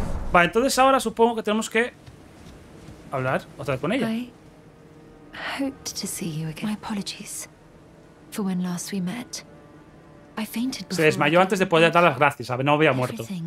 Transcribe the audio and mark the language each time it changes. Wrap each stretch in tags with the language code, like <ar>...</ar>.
<es>Vale, entonces ahora supongo que tenemos que hablar otra vez con ella.</es> <en>I hoped to see you again. My apologies for when last we met. I fainted before.</en> <es>Se desmayó antes de poder dar las gracias. No había muerto.</es>